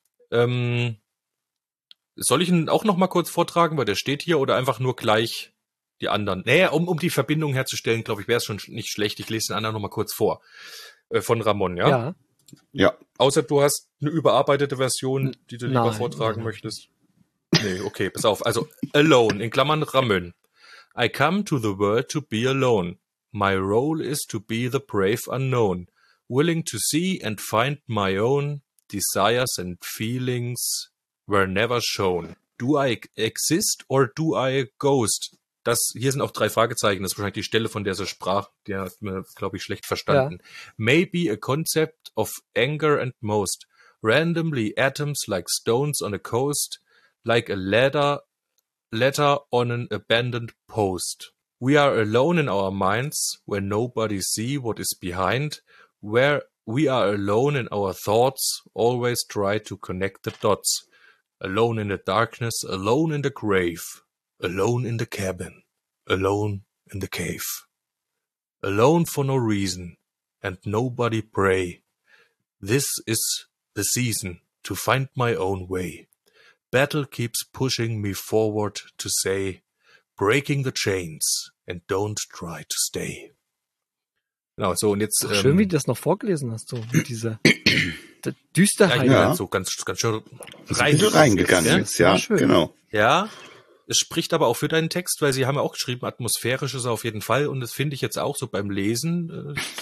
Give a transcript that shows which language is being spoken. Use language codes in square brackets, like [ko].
[de] Soll ich ihn auch noch mal kurz vortragen, weil der steht hier, oder einfach nur gleich die anderen? Naja, um die Verbindung herzustellen, glaube ich, wäre es schon nicht schlecht. Ich lese den anderen noch mal kurz vor. Von Ramon, ja? Ja. Ja. Außer du hast eine überarbeitete Version, die du lieber vortragen möchtest. Nee, okay, pass auf. Also, Alone, in Klammern Ramön. [en] I come to the world to be alone. My role is to be the brave unknown. Willing to see and find my own desires and feelings were never shown. Do I exist or do I ghost? [de] Hier sind auch drei Fragezeichen. Das ist wahrscheinlich die Stelle, von der sie sprach. Die hat mir, glaube ich, schlecht verstanden. Ja. [en] Maybe a concept of anger and most. Randomly atoms like stones on a coast. Like a letter on an abandoned post. We are alone in our minds, where nobody see what is behind. Where we are alone in our thoughts, always try to connect the dots. Alone in the darkness, alone in the grave. Alone in the cabin, alone in the cave. Alone for no reason, and nobody pray. This is the season to find my own way. Battle keeps pushing me forward to say, breaking the chains and don't try to stay. [de] Genau, so, und jetzt. Ach, schön, wie du das noch vorgelesen hast, so, mit dieser Düsterheit. Ja. So ganz schön reingegangen jetzt, ja. Schön. Genau. Ja, es spricht aber auch für deinen Text, weil sie haben ja auch geschrieben, atmosphärisch ist er auf jeden Fall, und das finde ich jetzt auch so beim Lesen.